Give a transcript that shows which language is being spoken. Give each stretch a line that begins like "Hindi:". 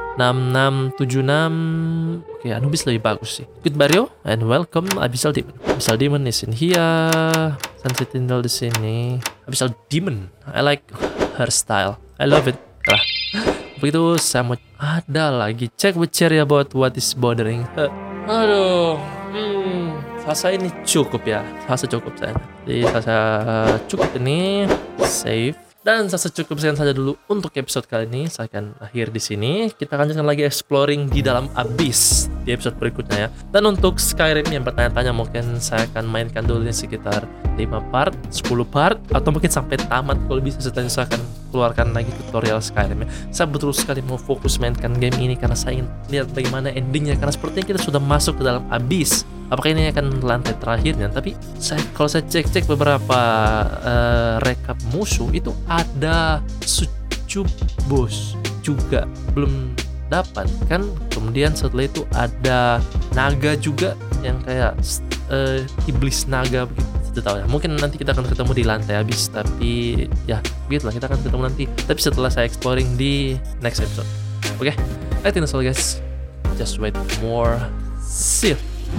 Indonesian: 6676. Oke, Anubis lebih bagus sih.
English: Goodbye, Rio. And welcome Abyssal Demon. Abyssal Demon is in here. Sunset Tindal
Indonesian: di sini.
English: Abyssal Demon. I like her style. I love it. Lah.
Indonesian: Begitu saya mau ada lagi.
English: Check with Cherry about what is bothering her.
Indonesian: Aduh. Fase ini cukup ya. Fase cukup saya. Jadi fase cukup ini. Save. Dan saya cukup sekian saja dulu untuk episode kali ini. Saya akan akhir di sini. Kita akan lanjutkan lagi exploring di dalam abyss di episode berikutnya ya. Dan untuk Skyrim yang bertanya-tanya, mungkin saya akan mainkan dulu ini sekitar 5 part, 10 part, atau mungkin sampai tamat. Kalau bisa setelah ini saya akan keluarkan lagi tutorial Skyrim ya. Saya betul sekali mau fokus mainkan game ini karena saya ingin lihat bagaimana endingnya. Karena sepertinya kita sudah masuk ke dalam abyss. Apakah ini akan lantai terakhirnya? Tapi kalau saya cek-cek beberapa rekap musuh, itu ada sucup bos juga belum dapat kan. Kemudian setelah itu ada naga juga yang kayak iblis naga begitu. Tahu ya. Mungkin nanti kita akan ketemu di lantai abis. Tapi ya begitulah, kita akan ketemu nanti. Tapi setelah saya exploring di next episode.
English: Okay, I think that's all guys. Just wait more. See you.